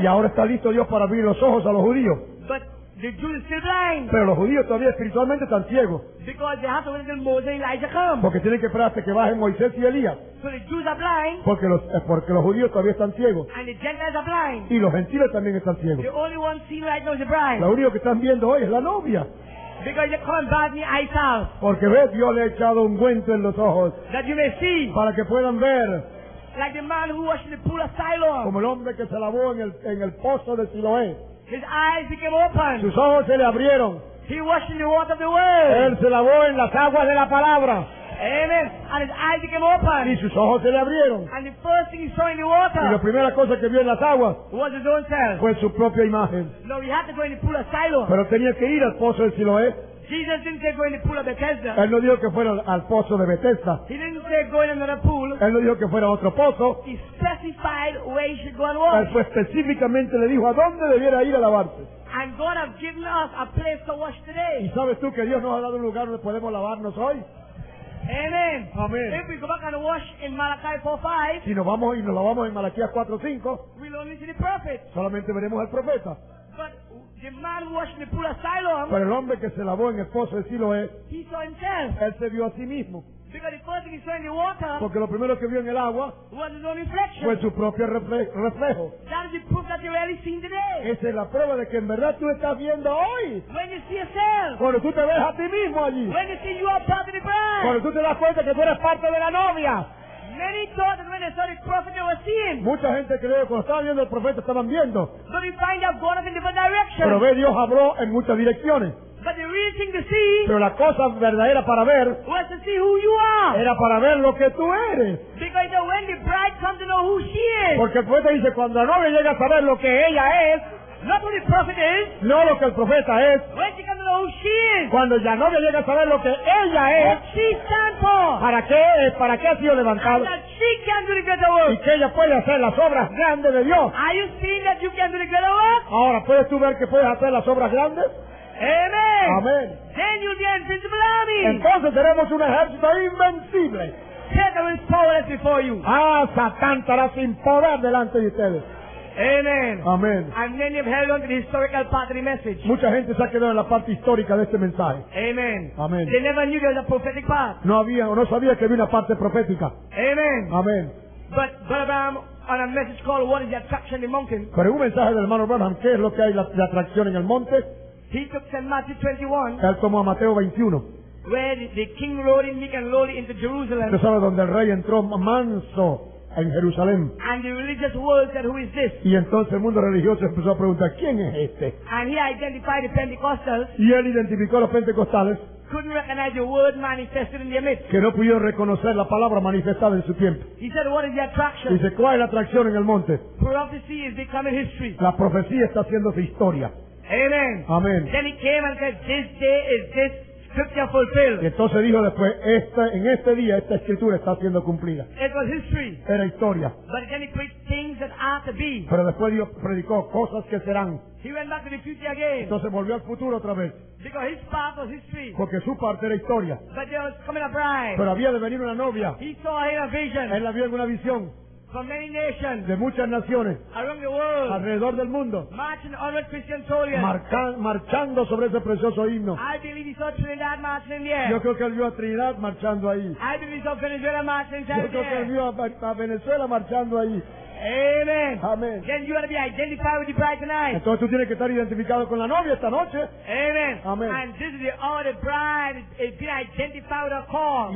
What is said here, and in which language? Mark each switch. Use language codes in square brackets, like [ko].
[es] Y ahora está listo Dios para abrir los ojos a los judíos. [en] But the Jews are still blind. [es] Pero los judíos todavía espiritualmente están ciegos. [en] Because they have to wait until Moses and Elijah come. [es] Porque tienen que esperar hasta que bajen Moisés y Elías. [en] So the Jews are blind. [es] Porque los judíos todavía están ciegos. [en] And the Gentiles are blind. [es] Y los gentiles también están ciegos. [en] The only one seen right now is the bride. [es] Lo único que están viendo hoy es la novia. [en] Because you come bad me eyes out. [es] Porque ves, Dios le ha echado un ungüento en los ojos. [en] That you may see. [es] Para que puedan ver. [en] Like the man who washed in the pool of Siloam. [es] Como el hombre que se lavó en el pozo de Siloé. [en] His eyes became open. [es] Sus ojos se le abrieron. [en] He washed in the water of the word. [es] Él se lavó en las aguas de la palabra. [en] Amen. And his eyes became open. [es] Y sus ojos se le abrieron. [en] And the first thing he saw in the water. [es] Y la primera cosa que vio en las aguas. [en] Was his own self. [es] Fue su propia imagen. [en] No, he had to go in the pool of Siloam. [es] Pero tenía que ir al pozo de Siloé. [en] Jesus didn't say go in the pool of Bethesda. [es] Él no dijo que fuera al pozo de Bethesda. [en] He didn't say go in another pool. [es] Él no dijo que fuera a otro pozo. [en] He specified where he should go and wash. [es] Él fue específicamente le dijo a dónde debiera ir a lavarse. [en] And God has given us a place to wash today. [es] ¿Y sabes tú que Dios nos ha dado un lugar donde podemos lavarnos hoy? [en] Amen. [es] Amen. [en] If we go back and wash in Malachi 4:5. [es] Si nos vamos y nos lavamos en Malaquías 4:5. [en] We'll only see the prophet. [es] Solamente veremos al profeta. [en] But the man washed in the pool of Siloam. [es] Pero el hombre que se lavó en el pozo de Siloé. [en] He saw himself. [es] Él se vio a sí mismo. [en] Because the first thing he saw in the water. [es] Porque lo primero que vio en el agua. [en] Was his own reflection. [es] Fue su propio reflejo. [en] That is the proof that you really seen today. [es] Esa es la prueba de que en verdad tú estás viendo hoy. [en] When you see yourself. [es] Cuando tú te ves a ti mismo allí. [en] When you see you are part of the bride. [es] Cuando tú te das cuenta que tú eres parte de la novia. [en] Many thought that when they saw the prophet they were seeing. [es] Mucha gente creyó que cuando estaban viendo al profeta estaban viendo. [en] But we find that God has in different directions. [es] Pero ve, Dios habló en muchas direcciones. [en] But the real thing to see. [es] Pero la cosa verdadera para ver. [en] Was to see who you are. [es] Era para ver lo que tú eres. [en] Because you know, when the bride comes to know who she is. [es] Porque el profeta dice cuando la novia llega a saber lo que ella es. [en] Not who the prophet is. [es] No lo que el profeta es. [en] When she comes to know who she is. [es] Cuando la novia llega a saber lo que ella es. [en] What she stands for. [es] ¿Para qué ha sido levantado? [en] And that she can do the greater work. [es] Y que ella puede hacer las obras grandes de Dios. [en] Are you seeing that you can do the greater work? [es] Ahora, ¿puedes tú ver que puedes hacer las obras grandes? [en] Amen. [es] Amen. [en] Then you'll be an invincible army. [es] Entonces tenemos un ejército invencible. [en] Satan is powerless before you. [es] Ah, Satan estará sin poder delante de ustedes. [en] Amen. [es] Amen. [en] And many have held on to the historical part of the message. [es] Mucha gente se ha quedado en la parte histórica de este mensaje. [en] Amen. [es] Amen. [en] They never knew there was a prophetic part. [es] No había o no sabía que había una parte profética. [en] Amen. [es] Amen. [en] But Abraham on a message called "What is the attraction in the mountain?" [es] Pero un mensaje del hermano Abraham, ¿qué es lo que hay la atracción en el monte? [en] He took St. Matthew 21. [es] Él tomó a Mateo 21. [en] Where the king rode in meek and lowly into Jerusalem. [es] ¿Tú sabes donde el rey entró manso? En Jerusalén. [en] And the religious world said, "Who is this?" [es] Y entonces el mundo religioso empezó a preguntar, ¿quién es este? [en] And he identified the Pentecostals. [es] Y él identificó a los pentecostales. [en] Couldn't recognize the word manifested in their midst. [es] Que no pudieron reconocer la palabra manifestada en su tiempo. [en] He said, "What is the attraction?" [es] Dice, ¿cuál es la atracción en el monte? [en] Prophecy is becoming history. [es] La profecía está haciéndose historia. [en] Amen. Amen. Then he came and said, "This day is this." Scripture fulfilled. [es] Y entonces dijo después, en este día esta escritura está siendo cumplida. [en] It was history. [es] Era historia. [en] But then he preached things that are to be. [es] Pero después Dios predicó cosas que serán. [en] He went back to the future again. [es] Entonces volvió al futuro otra vez. [en] Because his part was history. [es] Porque su parte era historia. [en] But there was coming a bride. [es] Pero había de venir una novia. [en] He saw in a vision. [es] Él la vio en una visión. [en] From many nations, [es] de muchas naciones, [en] around the world, [es] alrededor del mundo, [en] marching on with Christian soldiers, [es] marchando sobre ese precioso himno. [en] I believe he saw Trinidad marching in the air. [es] Yo creo que él vio a Trinidad marchando ahí. [en] I believe he saw Venezuela marching in the air. [es] Yo creo que él vio a Venezuela marchando ahí. [en] Amen. [es] Amen. [en] Then you got to be identified with the bride tonight. [es] Entonces tú tienes que estar identificado con la novia esta noche. [en] Amen. [es] Amen. [en] And this is the hour the bride is being identified with a call.